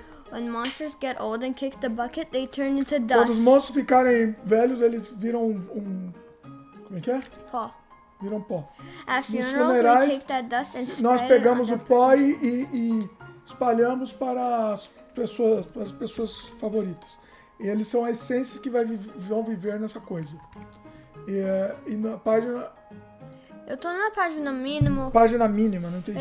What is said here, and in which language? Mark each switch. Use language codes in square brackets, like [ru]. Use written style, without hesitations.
[en] When monsters get old and kick the bucket, they turn into dust. [pt] Quando os monstros ficarem velhos, eles viram um... Como é que é? Pó. Viram pó. [en] At funerals, we take that dust and spread it. [pt] Nós pegamos o pó e espalhamos para as pessoas, favoritas. E eles são as essências que vão viver nessa coisa. E na página... Eu tô na página mínima. Página mínima, não entendi.